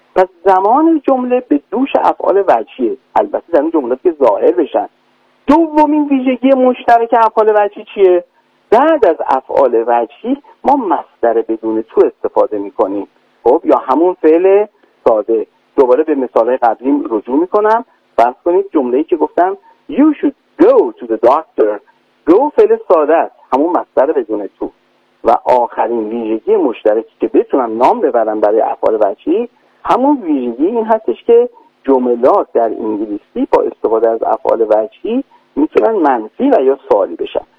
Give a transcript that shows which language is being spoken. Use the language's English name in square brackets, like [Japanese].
[Persian] پس زمان جمله به دوش افعال وجهیه، البته در این جملات که ظاهر بشن. دومین ویژگی مشترک افعال وجهی چیه؟ بعد از افعال وجهی ما مصدر بدون تو استفاده میکنیم، خب یا همون فعل ساده. دوباره به مثالهای قبلیم رجوع میکنم. فرض کنید جمله‌ای که گفتم [English] You should go to the doctor. [Persian] Go فعل ساده است، همون مصدر بدون تو. و آخرین ویژگی مشترکی که بتونم نام ببرم برای افعال وجهی، همون ویژگی این هستش که جملات در انگلیسی با استفاده از افعال وجهی میتونن منفی و یا سوالی بشن.